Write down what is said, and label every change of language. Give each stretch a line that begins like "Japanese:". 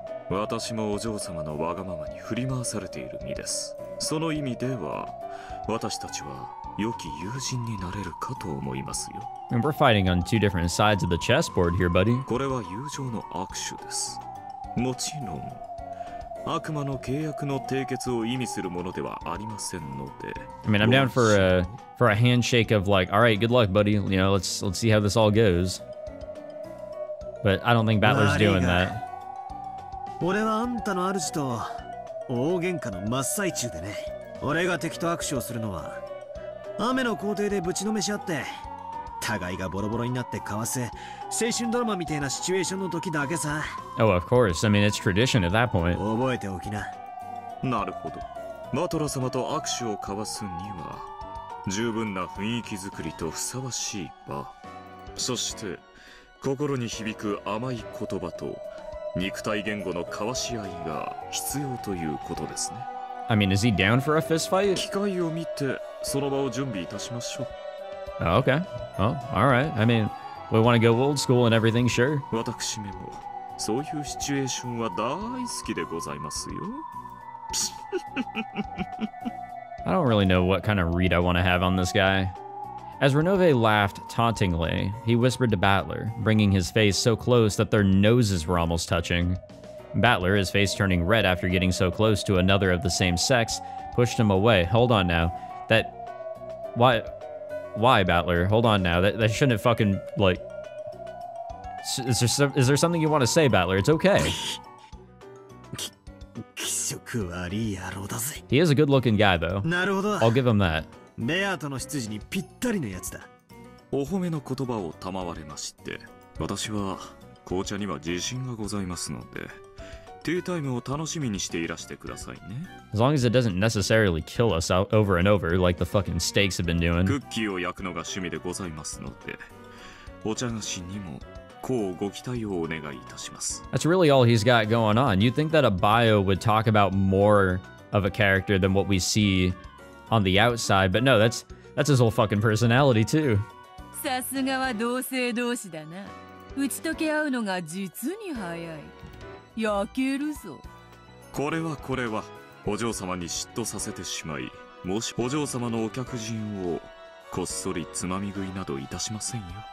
Japanese: 私もお嬢様のわがままに振り回されている身です。その意味では、私たちは良き友人になれるかと思いますよ。
English: And we're fighting on two different sides of the chessboard here, buddy.
Japanese: これは友情の握手です。もちろん、悪魔の契約の締結を意味するものではありませんので。
English: I mean, I'm down for a handshake of like, all right, good luck, buddy. You know, let's see how this all goes. But I don't think Battler's doing that.
Japanese: 俺はあんたの主と大喧嘩の真っ最中でね。俺が敵と握手をするのは雨の皇帝でぶちのめしあって互いがボロボロになってかわせ青春ドラマみたいなシチュエーションの時だけさ。
English: Oh, of course. I mean, it's tradition at that point.
Japanese: 覚えておきな。なるほど。マトラ様と握手を交わすには十分な雰囲気作りとふさわしい場。そして心に響く甘い言葉と肉体言語の交わし合いが必要ということですね。
English: I mean, is he down for a fist fight?
Japanese: 機会を見てその場を準備いたしましょう。
English: Oh, okay. Oh, all right. I mean, we want to go old school and everything, sure.
Japanese: 私めもそういうシチュエーションは大好きでございますよ。
English: I don't really know what kind of read I want to have on this guy. As Renove laughed tauntingly, he whispered to Battler, bringing his face so close that their noses were almost touching. Battler, his face turning red after getting so close to another of the same sex, pushed him away. Hold on now. That... Why... Why, Battler? Hold on now. That shouldn't fucking, like... Is there something you want to say, Battler? It's okay. He is a good-looking guy, though. I'll give him that.
Japanese: ベアートの執事にぴったりのやつだ。お褒めの言葉を賜れまして、私は紅茶には自信がございますので、ティータイムを楽しみにしていらしてくださいね。
English: As long as it doesn't necessarily kill us over and over like the fucking steaks have been doing。
Japanese: クッキーを焼くのが趣味でございますので、お茶菓子にも。
English: That's really all he's got going on. You'd think that a bio would talk about more of a character than what we see. On the outside, but no, that's his whole fucking personality, too.
Japanese: さすがは同性同士だな。打ち解け合うのが実に早い。焼けるぞ。これはこれは、お嬢様に嫉妬させてしまい、もしお嬢様のお客人をこっそりつまみ食いなどいたしませんよ。